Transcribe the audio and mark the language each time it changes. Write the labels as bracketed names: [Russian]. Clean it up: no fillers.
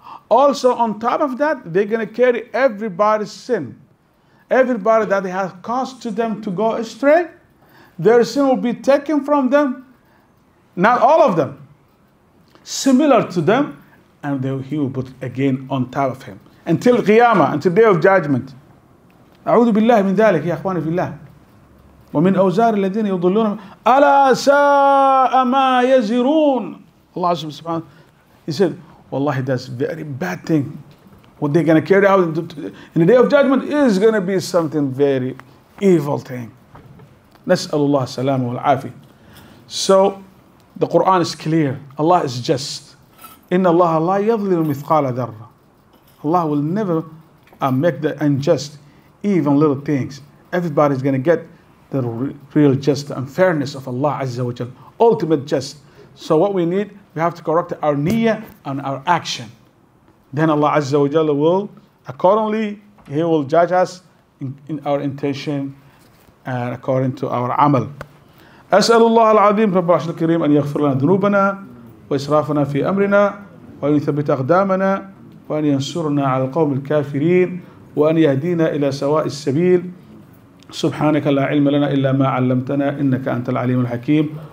[English] Also on top of that, they're going to carry everybody's sin. Everybody that has caused to them to go astray, their sin will be taken from them. Not all of them. Similar to them, and they will, he will put again on top of him. Until Qiyamah, until Day of Judgment. [Arabic] أعوذ بالله من ذلك يا أخواني في الله. ومن أوزار الذين يضلون ألا ساء ما يزرون. الله سبحانه [English] he said والله that's very bad thing what they're going to carry out in the day of judgment is going to be something very evil thing. [Arabic] نسأل الله السلامة والعافية. [English] So the Quran is clear. Allah is just. [Arabic] إن الله لا يظلم مثقال ذرة. [English] Allah will never make the unjust even little things. Everybody is going to get the real justice and fairness of Allah Azza wa Jal, ultimate justice. So what we need, we have to correct our niyyah and our action. Then Allah Azza wa Jal will, accordingly, He will judge us in our intention and according to our amal. [Arabic] أسأل الله العظيم رب العرش الكريم أن يغفر لنا ذنوبنا وإسرافنا في أمرنا وأن يثبت أقدامنا وأن ينصرنا على القوم الكافرين وأن يهدينا إلى سواء السبيل. سبحانك لا علم لنا إلا ما علمتنا إنك أنت العليم الحكيم.